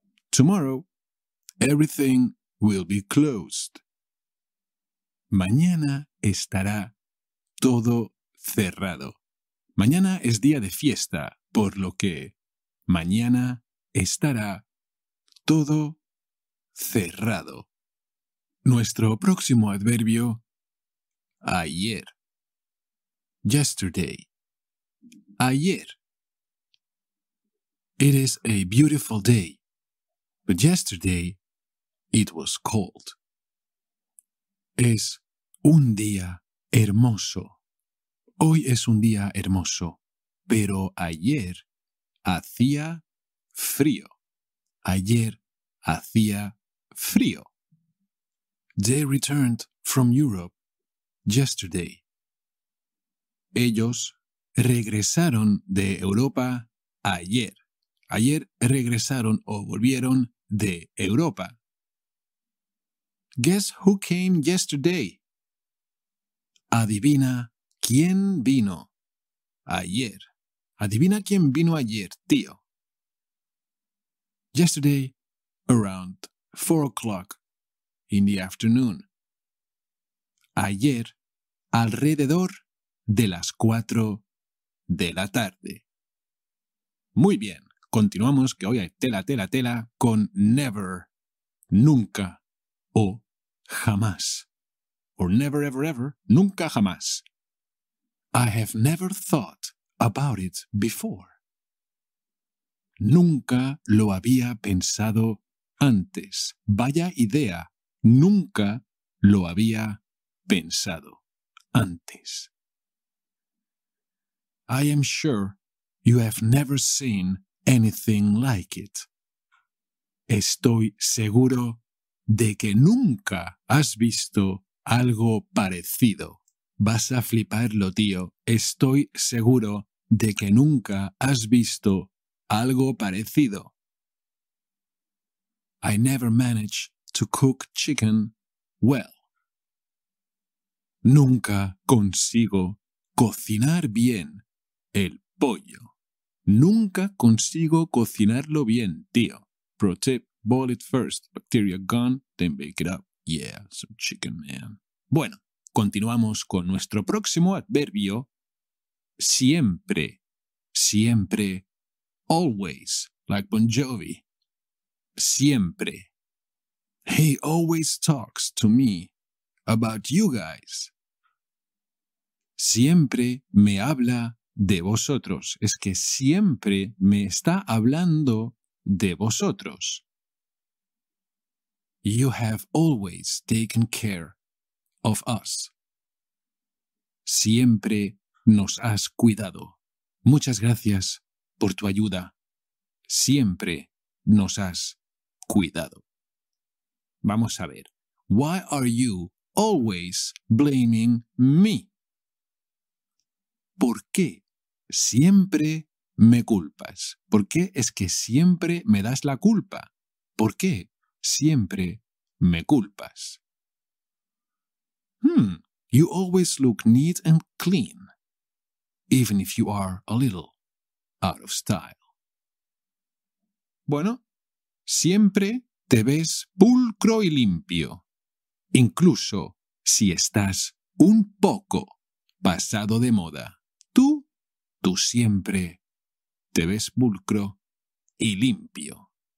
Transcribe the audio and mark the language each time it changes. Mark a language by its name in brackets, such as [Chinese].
[English] Tomorrow, everything will be closed. [Spanish] Mañana estará todo cerrado. Mañana es día de fiesta, por lo que mañana estará todo cerrado. Nuestro próximo adverbio, ayer. [English] Yesterday. [Spanish] Ayer. [English] It is a beautiful day, but yesterday it was cold. [Spanish] Es un día hermoso. Hoy es un día hermoso, pero ayer hacía frío. Ayer hacía frío. [English] They returned from Europe yesterday. [Spanish] Ellos regresaron de Europa ayer. Ayer regresaron o volvieron de Europa. [English] Guess who came yesterday? [Spanish] Adivina quién vino ayer. Adivina quién vino ayer, tío. [English] Yesterday, around 4 o'clock in the afternoon. [Spanish] Ayer, alrededor de las 4 de la tarde. Muy bien, continuamos que hoy hay tela con never, nunca o jamás. [English] Or never, ever, ever, [Spanish] nunca, jamás. [English] I have never thought about it before. [Spanish] Nunca lo había pensado antes. Vaya idea. Nunca lo había pensado antes. [English] I am sure you have never seen anything like it. [Spanish] Estoy seguro de que nunca has visto algo parecido. Vas a fliparlo, tío. Estoy seguro de que nunca has visto algo parecido. [English] I never managed to cook chicken well. [Spanish] Nunca consigo cocinar bien el pollo. Nunca consigo cocinarlo bien, tío. [English] Pro tip, boil it first. Bacteria gone, then bake it up. Yeah, some chicken, man. [Spanish] Bueno, continuamos con nuestro próximo adverbio. Siempre, siempre, always, like Bon Jovi. Siempre. [English] He always talks to me about you guys. [Spanish] Siempre me habla de vosotros. Es que siempre me está hablando de vosotros. [English] You have always taken care of us. [Spanish] Siempre nos has cuidado. Muchas gracias por tu ayuda. Siempre nos has cuidado. Vamos a ver. [English] Why are you always blaming me? [Spanish] ¿Por qué siempre me culpas? ¿Por qué es que siempre me das la culpa? ¿Por qué siempre me culpas? [English] You always look neat and clean, even if you are a little out of style. [Spanish] Bueno, siempre te ves pulcro y limpio, incluso si estás un poco pasado de moda. Tú siempre te ves pulcro y limpio.